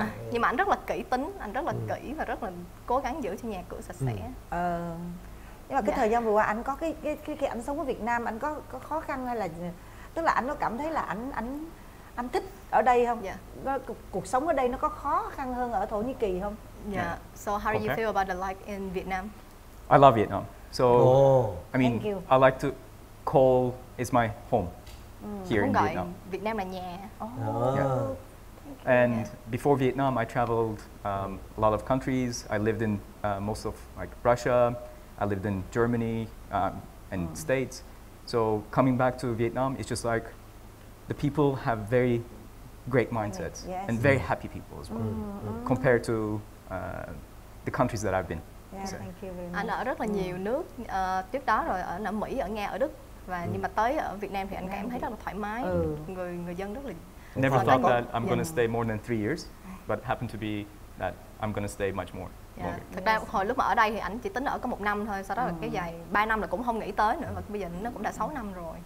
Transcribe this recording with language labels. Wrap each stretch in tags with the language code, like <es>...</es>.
<vi>Nhưng mà anh rất là kỹ tính, anh rất là kỹ và rất là cố gắng giữ cho nhà cửa sạch sẽ. Nhưng mà cái thời gian vừa qua anh có cái anh sống ở Việt Nam, anh có khó khăn hay là tức là anh có cảm thấy là anh thích ở đây không? Cuộc sống ở đây nó có khó khăn hơn ở Thổ Nhĩ Kỳ không?</vi> <en>So how do you feel about the life in Vietnam? I love Vietnam. So I mean, I like to call it my home. Here</en> <vi>đúng</vi> <en>in</en> <vi>rồi.</vi> <en>Vietnam.</en> <vi>Việt Nam là nhà.</vi> <en>And before Vietnam, I traveled a lot of countries. I lived in most of like Russia. I lived in Germany and States. So coming back to Vietnam, it's just like the people have very great mindsets and very happy people as well compared to the countries that I've been. Yeah, thank you very much.</en> <vi>Anh ở rất là nhiều nước trước đó rồi, ở Mỹ, ở Nga, ở Đức. và nhưng mà tới ở Việt Nam thì anh cảm thấy rất là thoải mái. Người dân rất là</vi> <en>never thought that I'm gonna stay more than 3 years, but happened to be that I'm gonna stay much more. Yeah.</en> <vi>Thực ra hồi lúc mà ở đây thì anh chỉ tính ở có 1 năm thôi, sau đó là kéo dài 3 năm là cũng không nghĩ tới nữa, và bây giờ nó cũng đã 6 năm rồi.</vi>